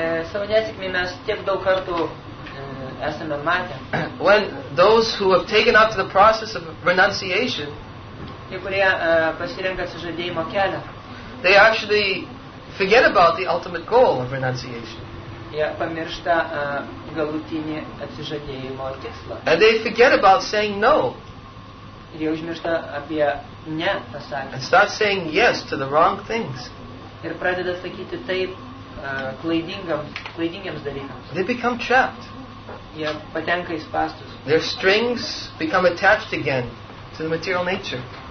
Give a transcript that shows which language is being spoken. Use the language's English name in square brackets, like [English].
[Lithuanian] Savo nesėkmėj mes tiek daug kartų esame matę. [English] When those who have taken up to the process of renunciation, [Lithuanian] tie kurie pasirenka atsižadėjimo kelią, [English] they actually forget about the ultimate goal of renunciation. [Lithuanian] Jie pamiršta galutinį atsižadėjimo tikslą. [English] And they forget about saying no. [Lithuanian] Ir jie užmiršta apie ne pasakymą. [English] And start saying yes to the wrong things. [Lithuanian] Ir pradeda sakyti taip klaidingiems dalykams. [English] They become trapped. [Lithuanian] Jie patenka į spastus. [English] Their strings become attached again to the material nature.